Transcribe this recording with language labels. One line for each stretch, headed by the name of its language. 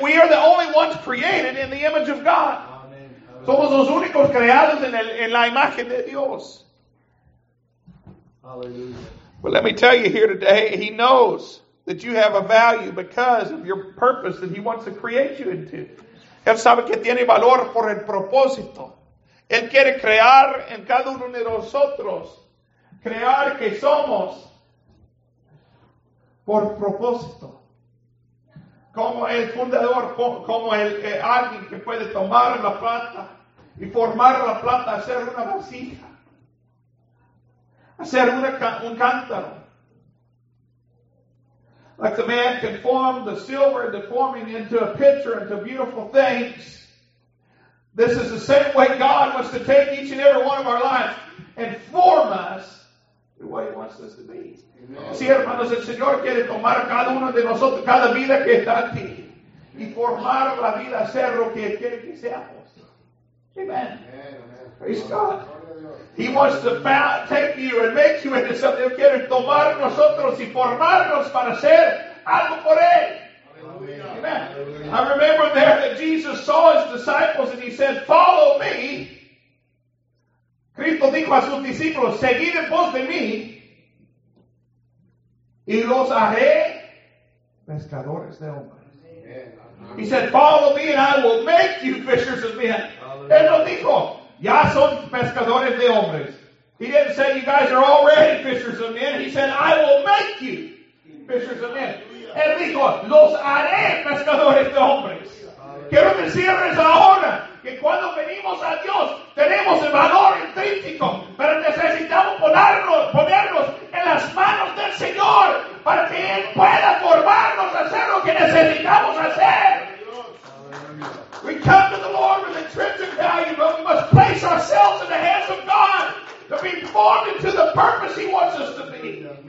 English: We are the only ones created in the image of God.
Spanish: Somos los únicos creados en la imagen de Dios. Hallelujah.
English: But let me tell you here today, He knows that you have a value because of your purpose that He wants to create you into.
Spanish: Él sabe que tiene valor por el propósito. Él quiere crear en cada uno de nosotros. Crear que somos por propósito. Como el fundador, como el alguien que puede tomar la plata y formar la plata, hacer una vasija, hacer un cántaro.
English: Like the man can form the silver and deforming into a pitcher, into beautiful things. This is the same way God wants to take each and every one of our lives and form us what He wants us to be. Amen.
Spanish: Sí, hermanos, el Señor quiere tomar cada uno de nosotros, cada vida que está aquí, y formar la vida a ser lo que quiere que seamos. Amen. Amen.
English: Praise God. He wants to take you and make you into something.
Spanish: Él quiere tomar nosotros y formarnos para hacer algo por Él. Amen.
English: I remember there that Jesus saw His disciples and He said, "Follow me."
Spanish: Cristo dijo a sus discípulos, seguid en pos de mí y los haré pescadores de hombres. Amen.
English: He said, follow me and I will make you fishers of men. Hallelujah.
Spanish: Él nos dijo, ya son pescadores de hombres.
English: He didn't say, you guys are already fishers of men. He said, I will make you fishers of men. Hallelujah.
Spanish: Él dijo, los haré pescadores de hombres. Hallelujah. Quiero decirles ahora, que cuando venimos a Dios tenemos el valor intrínseco, pero necesitamos ponernos en las manos del Señor para que Él pueda formarnos a hacer lo que necesitamos hacer. Hallelujah.
English: We come to the Lord with intrinsic value, but we must place ourselves in the hands of God to be formed into the purpose He wants us to be.